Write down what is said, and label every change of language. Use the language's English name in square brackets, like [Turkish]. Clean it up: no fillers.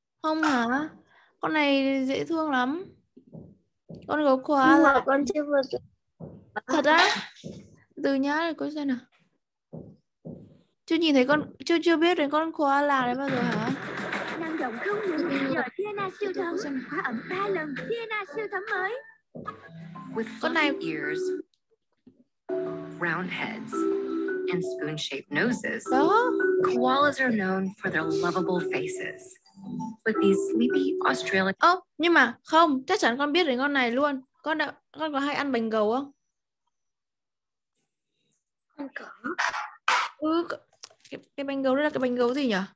[Vietnamese] Không hả? Con này dễ thương lắm. Con gấu koala. Con chưa vừa thật á? Từ nhá, cô xem nào. Chưa nhìn thấy con, chưa chưa biết đến con koala đấy bao giờ hả? Năng động không ngừng nghỉ nhờ Tiana siêu thấm. Khóa ẩm 3 lần Tiana siêu thấm mới. [English] With [Vietnamese] con này [English] ears, round heads, and spoon-shaped noses, koalas are known for their lovable faces. But these sleepy Australian. [Vietnamese] Oh, nhưng mà không, chắc chắn con biết đến con này luôn. Con đã, con có hay ăn bánh gấu không? Không có. Ừ, cái bánh gấu đó là cái bánh gấu gì nhỉ?